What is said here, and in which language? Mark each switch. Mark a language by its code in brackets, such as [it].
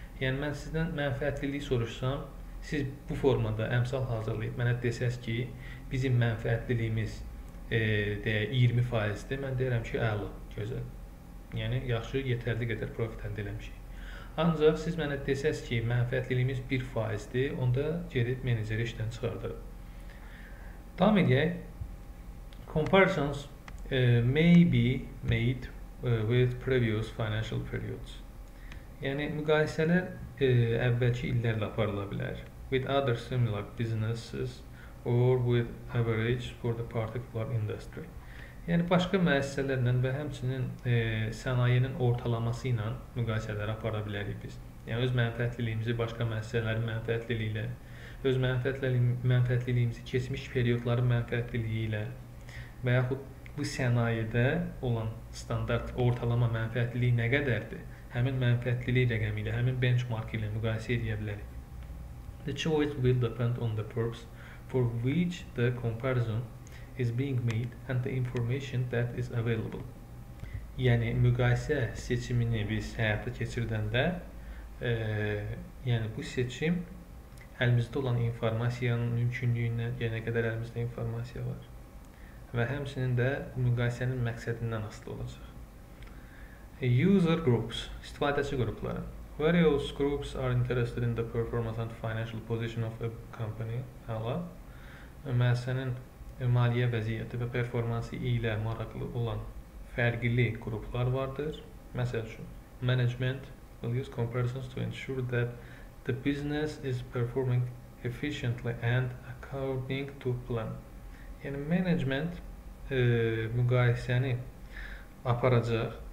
[az] Yəni mən sizdən mənfəətliliyi soruşsam, siz bu formada əmsal hazırlayıb mənə desəz ki, bizim mənfəətliliyimiz 20%-dir. Mən deyirəm ki, əla, gözəl. Yəni, yaxşı, yetərli qədər profit əldə eləmişik. Ancaq siz mənə desəz ki, mənfəətliliyimiz 1%-dir, onda gedib menedjeri işdən çıxardırıb. Davam edək. [en] Comparisons may be made with previous financial periods. [az] Yəni, müqayisələr əvvəlki illərlə aparıla bilər. [en] With other similar businesses or with average for the particular industry. [az] Yəni başqa müəssisələrlə və həmçinin sənayenin ortalaması ilə müqayisələr apara bilərik biz. Yəni öz mənfəətliliyimizi başqa müəssisələrin mənfəətliliyi ilə, öz mənfəətliliyimizi keçmiş periodların mənfəətliliyi ilə və yaxud bu sənayedə olan standart ortalama mənfəətliliyi nə qədərdir? Həmin mənfəətlilik rəqəmi ilə, həmin benchmark ilə müqayisə edə bilərik. [en] The choice will depend on the purpose for which the comparison is being made and the information that is available. [az] Yəni müqayisə seçimini biz həyata keçirdəndə, yəni bu seçim əlimizdə olan informasiyanın mümkünlüyündən, yəni nə qədər əlimizdə informasiya var və həmçinin də müqayisənin məqsədindən asılı olacaq. User groups, istifadəçi qrupları. [en] Various groups are interested in the performance and financial position of a company. [az] Hala müəssisənin maliyyə vəziyyəti və performansı ilə maraqlı olan fərqli qruplar vardır. Məsəl üçün, [en] management will use comparisons to ensure that the business is performing efficiently and according to plan. [az] Yəni, management müqayisəni aparacaq.